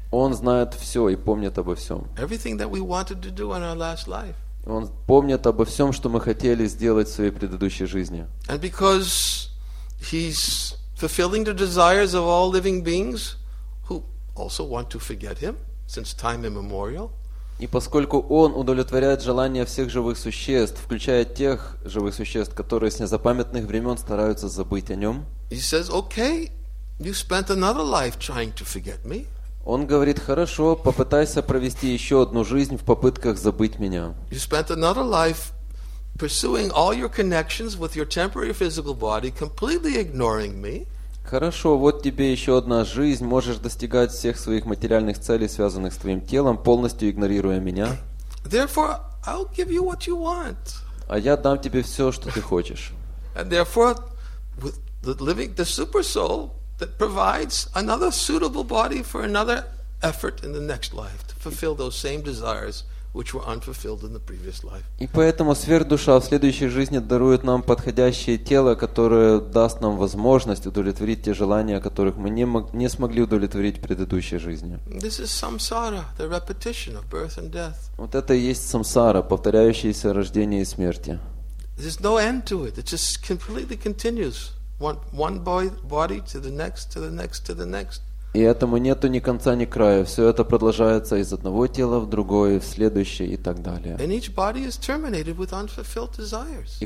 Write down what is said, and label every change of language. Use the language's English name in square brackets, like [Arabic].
[Russian] Он знает все и помнит обо всем. [English] Everything that we wanted to do in our last life. [Russian] Он помнит обо всем, что мы хотели сделать в своей предыдущей жизни. [English] And because he's fulfilling the desires of all living beings who also want to forget him since time immemorial. [Russian] И поскольку он удовлетворяет желания всех живых существ, включая тех живых существ, которые с незапамятных времен стараются забыть о нем. [English] He says, "Okay, you spent another life trying to forget me." [Russian] Он говорит: "Хорошо, попытайся провести еще одну жизнь в попытках забыть меня." [English] You spent another life pursuing all your connections with your temporary physical body, completely ignoring me. [Russian] Хорошо, вот тебе еще одна жизнь, можешь достигать всех своих материальных целей, связанных с твоим телом, полностью игнорируя меня. [English] Therefore, I'll give you what you want. [Russian] А я дам тебе все, что ты хочешь. [English] And therefore, with the super soul that provides another suitable body for another effort in the next life to fulfill those same desires which were unfulfilled in the previous life. [Russian] И поэтому сверхдуша в следующей жизни дарует нам подходящее тело, которое даст нам возможность удовлетворить те желания, которых мы не смогли удовлетворить в предыдущей жизни. [English] This is samsara, the repetition of birth and death. [Russian] Вот это и есть самсара, повторяющееся рождение и смерти. [English] There's no end to it. It just completely continues. One body to the next, to the next, to the next. [Russian] И этому нету ни конца, ни края. Все это продолжается из одного тела в другое, в следующее и так далее. [English] And each body is terminated with unfulfilled desires.